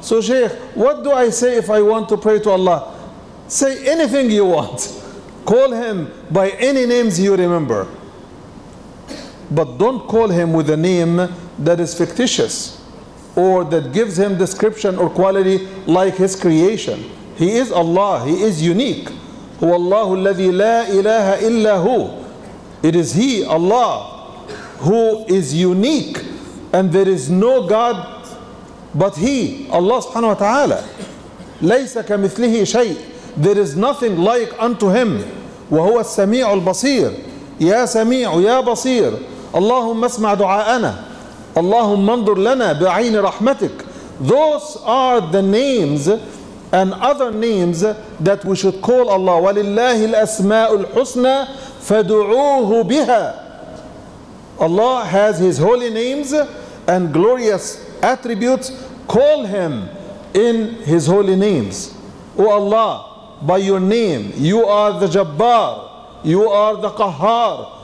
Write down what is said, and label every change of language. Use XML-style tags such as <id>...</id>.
<en>So Shaykh, what do I say if I want to pray to Allah? Say anything you want. Call Him by any names you remember. But don't call Him with a name that is fictitious or that gives Him description or quality like His creation. He is Allah. He is unique.</en> <ar>هو الله الذي لا إله إلا هو.</ar> <en>It is He, Allah, who is unique, and there is no God but He, Allah subhanahu wa ta'ala.</en> <ar>ليس كمثله شيء.</ar> <en>There is nothing like unto Him.</en> <ar>وهو السميع البصير. يا سميع يا بصير. اللهم اسمع دعاءنا. اللهم انظر لنا بعين رحمتك.</ar> <en>Those are the names and other names that we should call Allah.</en> <ar>ولله الأسماء الحسنى فدعوه بها.</ar> <en>Allah has His holy names and glorious attributes. Call Him in His holy names. O Allah, by Your name, You are the Jabbar, You are the Qahhar.</en>